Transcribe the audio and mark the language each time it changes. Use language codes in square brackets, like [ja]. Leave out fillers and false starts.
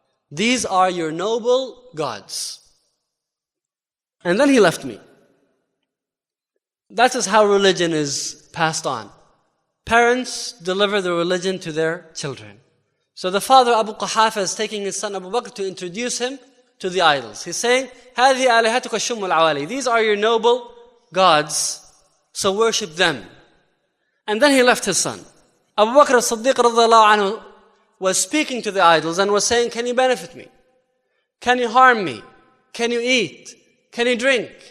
[en] These are your noble gods. And then he left me. That is how religion is passed on. Parents deliver the religion to their children. So the father, Abu Quhafa, is taking his son Abu Bakr to introduce him to the idols. He's saying, [ar] هذه آلهتك الشم العوالي. [en] These are your noble gods, so worship them. And then he left his son. Abu Bakr as-Siddiq radiallahu anhu was speaking to the idols and was saying, can you benefit me? Can you harm me? Can you eat? Can you drink?